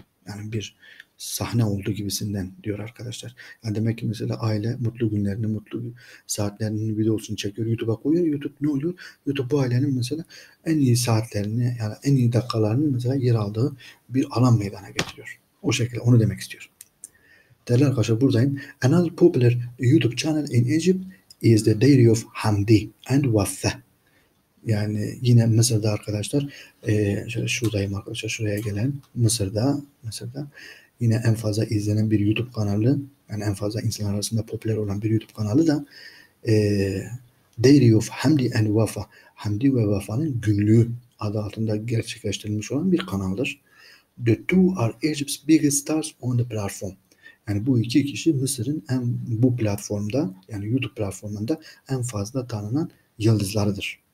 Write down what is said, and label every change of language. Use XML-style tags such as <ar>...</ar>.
<tr>Yani bir sahne oldu gibisinden diyor arkadaşlar. Yani demek ki mesela aile mutlu günlerini, mutlu saatlerini videosunu çekiyor. YouTube'a koyuyor. YouTube ne oluyor? YouTube bu ailenin mesela en iyi saatlerini, yani en iyi dakikalarını mesela yer aldığı bir alan meydana getiriyor. O şekilde onu demek istiyor. Değerli arkadaşlar buradayım.</tr> <en>Another popular YouTube channel in Egypt is the Diary of Hamdi and Vaffa.</en> <tr>Yani yine Mısır'da arkadaşlar. Şöyle şuradayım arkadaşlar. Şuraya gelen Mısır'da. Yine en fazla izlenen bir YouTube kanalı, yani en fazla insanlar arasında popüler olan bir YouTube kanalı da Diary of Hamdi and Wafa, Hamdi ve Wafa'nın günlüğü adı altında gerçekleştirilmiş olan bir kanaldır.</tr> <en>The two are Egypt's biggest stars on the platform.</en> <tr>Yani bu iki kişi Mısır'ın bu platformda, yani YouTube platformunda en fazla tanınan yıldızlarıdır.</tr>